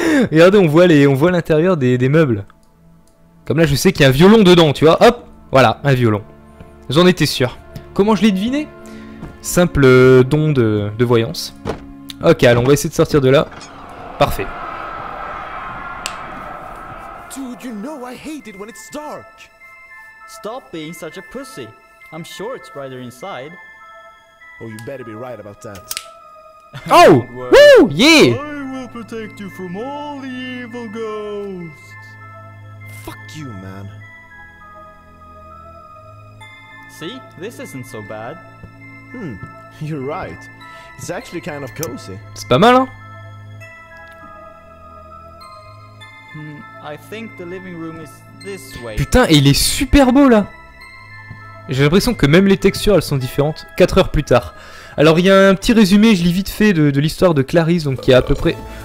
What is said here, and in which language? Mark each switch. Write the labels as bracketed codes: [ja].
[fr] Regardez, on voit l'intérieur des meubles. Comme là, je sais qu'il y a un violon dedans, tu vois. Hop, voilà, un violon. J'en étais sûr. Comment je l'ai deviné? Simple don de voyance. Ok, alors on va essayer de sortir de là. Parfait. [en] Dude, you know I hate it when it's dark. Stop being such a pussy. I'm sure it's brighter inside. Oh, you better be right about that. Oh, well, woo, yeah. I will protect you from all the evil ghosts. Fuck you, man. See, this isn't so bad. You're right. It's actually kind of cozy. [fr] C'est pas mal, hein? [en] I think the living room is this way. [fr] Putain, et il est super beau là. J'ai l'impression que même les textures elles sont différentes. 4 heures plus tard. Alors il y a un petit résumé, je lis vite fait de l'histoire de Clarisse, donc qui est à peu près.